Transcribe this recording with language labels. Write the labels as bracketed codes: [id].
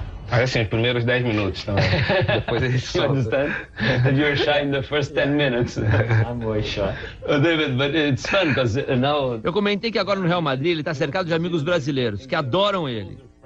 [pt] Mas assim, os primeiros 10 minutos também. Depois ele solta. [en] You understand? That you're shy in the first 10 minutes. I'm way shy. Oh, David, but it's fun because now... [pt] Eu comentei que agora no Real Madrid ele está cercado de amigos brasileiros, que adoram ele.